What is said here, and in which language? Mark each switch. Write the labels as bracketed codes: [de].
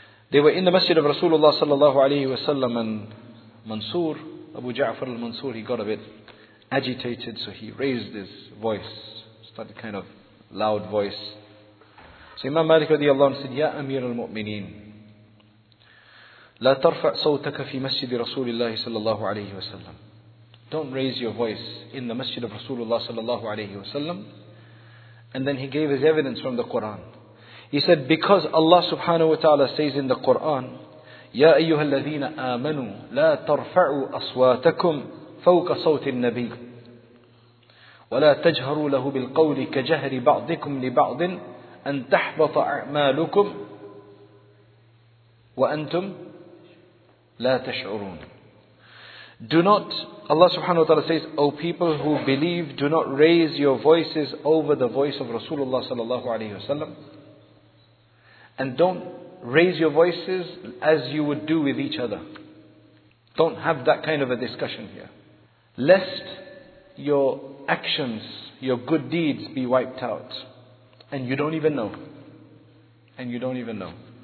[en] They were in the masjid of Rasulullah sallallahu alayhi wa sallam, and Mansur, Abu Ja'far al-Mansur, he got a bit agitated, so he raised his voice, started kind of loud voice. So Imam Malik radiallahu anhu said, [ar] Ya Amir al-Mu'mineen, لا ترفع صوتك في مسجد رسول الله صلى الله عليه وسلم. [en] Don't raise your voice in the masjid of Rasulullah [ar] صلى الله عليه وسلم. [en] And then he gave his evidence from the Quran. He said, because Allah subhanahu wa ta'ala says in the Quran, [ar] يَا أَيُّهَا الَّذِينَ آمَنُوا لَا تَرْفَعُوا أَصْوَاتَكُمْ فَوْقَ صَوْتِ النَّبِيِّ وَلَا تَجْهَرُوا لَهُ بِالْقَوْلِ كَجَهْرِ بَعْضِكُمْ لِبَعْضٍ أَنْ تَحْبَطَ أَعْمَالُكُمْ وَأَنْتُمْ لَا تَشْعُرُونَ. [en] Do not, Allah subhanahu wa ta'ala says, O people who believe, do not raise your voices over the voice of Rasulullah sallallahu alayhi wasallam. And don't raise your voices as you would do with each other. Don't have that kind of a discussion here. Lest your actions, your good deeds be wiped out. And you don't even know. And you don't even know.